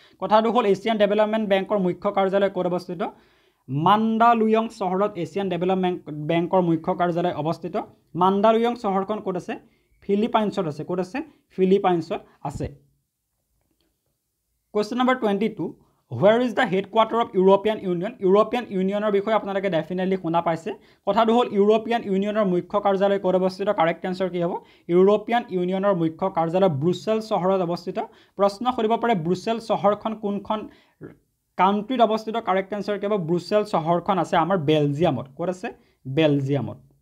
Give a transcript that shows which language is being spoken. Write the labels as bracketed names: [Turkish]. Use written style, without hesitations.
[Assamese] কথাটো হ'ল Asian development বেংকৰ মুখ্য কাৰ্যালয় ক'ত অৱস্থিত? মাণ্ডালুয়ং চহৰত এছিয়ান ডেভেলপমেণ্ট বেংকৰ মুখ্য কাৰ্যালয় অৱস্থিত। মাণ্ডালুয়ং চহৰখন ক'ত আছে? ফিলিপাইনছত আছে। ক'ত আছে? ফিলিপাইনছত আছে। [English] question number [Assamese] 22, [English] Where is the headquarter of European Union? [Assamese] European ইউনিয়নৰ বিষয়ে আপোনালোকে ডেফিনেটলি শুনা পাইছে। কথাটো হ'ল ইউৰোপিয়ান ইউনিয়নৰ মুখ্য কাৰ্যালয় ক'ত অৱস্থিত? [English] correct answer [Assamese] কি হ'ব? ইউৰোপিয়ান ইউনিয়নৰ মুখ্য কাৰ্যালয় ব্ৰুছেল চহৰত অৱস্থিত। প্ৰশ্ন সুধিব পাৰে ব্ৰুছেল চহৰখন কোনখন কাউণ্ট্ৰিত অৱস্থিত? [English] correct answer [Assamese] কি হ'ব? ব্ৰুছেল চহৰখন আছে আমাৰ বেলজিয়ামত। ক'ত আছে? বেলজিয়ামত।